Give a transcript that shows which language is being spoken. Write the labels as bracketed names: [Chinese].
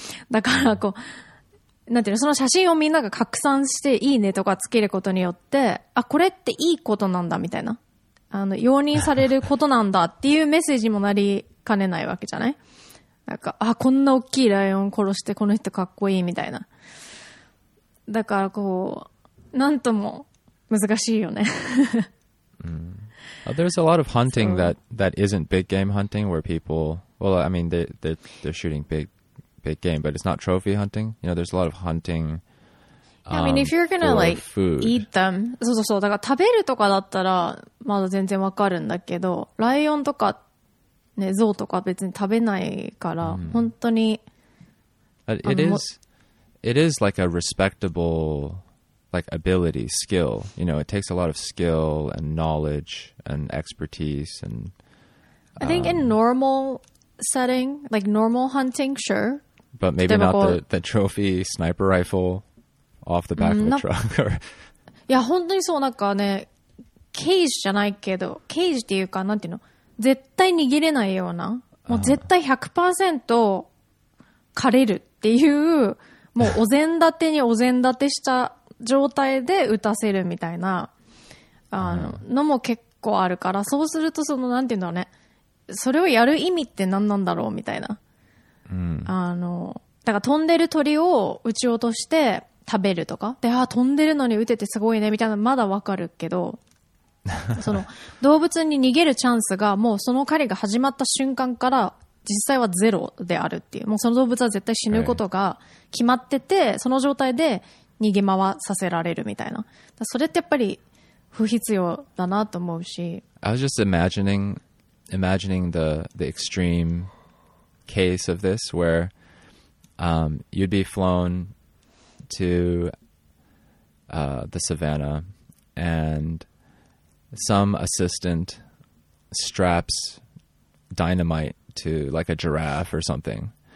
[Japanese] だから、こう、なんていうの、その写真をみんなが拡散して、いいねとかつけることによって、あ、これっていいことなんだみたいな。あの、容認されることなんだっていうメッセージもなりかねないわけじゃない？なんか、あ、こんな大きいライオン殺してこの人かっこいいみたいな。だからこう、なんとも難しいよね。 [English] There's a lot of hunting that isn't big game hunting where people, well, I mean, they're shooting big game, but it's not trophy hunting. You know, there's a lot of hunting I mean, if you're gonna like food. Eat them. [Japanese] そうそうそう。だから食べるとかだったらまだ全然わかるんだけど、ライオンとかね、ゾウとか別に食べないから、本当に。 [English] It is like a respectable, like ability, skill. You know, it takes a lot of skill and knowledge and expertise and. I think in normal setting, like normal hunting, sure. But maybe not the trophy sniper rifle off the back of a truck. [Japanese] いや本当にそう、なんかね、ケージじゃないけど、ケージっていうかなんていうの。絶対逃げれないような、もう絶対 100% 狩れるっていう、もうお膳立てにお膳立てした状態で撃たせるみたいな、あの、のも結構あるから、そうするとその、なんていうんだろうね、それをやる意味って何なんだろうみたいな。あの、だから飛んでる鳥を撃ち落として食べるとか、で、あ、飛んでるのに撃ててすごいね、みたいな、まだわかるけど、その動物に逃げるチャンスがもうその狩りが始まった瞬間から実際はゼロであるっていう、もうその動物は絶対死ぬことが決まってて、その状態で逃げ回させられるみたいな、だそれってやっぱり不必要だなと思うし、 [English] I was just imagining the extreme case of this where you'd be flown to the savannah andSome assistant straps dynamite to like a giraffe or something.